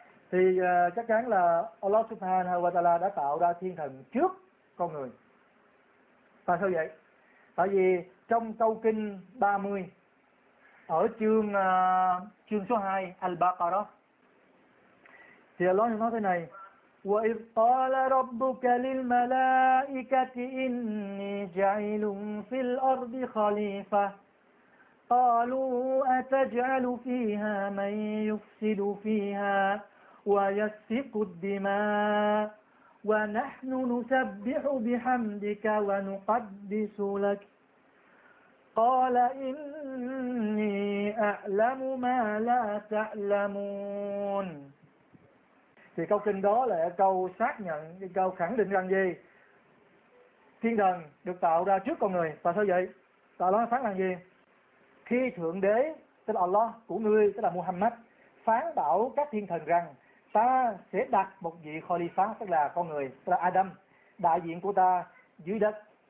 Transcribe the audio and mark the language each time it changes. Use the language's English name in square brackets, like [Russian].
[Vietnamese] Thì chắc chắn là Allah Subhanahu wa Taala đã tạo ra thiên thần trước con người. Tại sao vậy? Tại vì trong câu kinh 30 ở chương số 2 Al-Baqarah thì Allah nói thế này: [Arabic] وَإِذْ قَالَ رَبُّكَ لِلْمَلَائِكَةِ إِنِّي جَعِلٌ فِي الْأَرْضِ خَلِيفَةً قَالُوا أَتَجْعَلُ فِيهَا مَنْ يُفْسِدُ فِيهَا وَيَسْفِكُ الدِّمَاءُ وَنَحْنُ نُسَبِّحُ بِحَمْدِكَ وَنُقَدِّسُ لَكَ قَالَ إِنِّي أَعْلَمُ مَا لَا تَعْلَمُونَ. [Vietnamese] Thì câu kinh đó là câu xác nhận, câu khẳng định rằng gì? Thiên thần được tạo ra trước con người. Và sao vậy? Tại Allah phán rằng gì? Khi Thượng Đế, tức là Allah của ngươi, tức là Muhammad, phán bảo các thiên thần rằng ta sẽ đặt một vị Khalifa, tức là con người, tức là Adam, đại diện của ta dưới đất.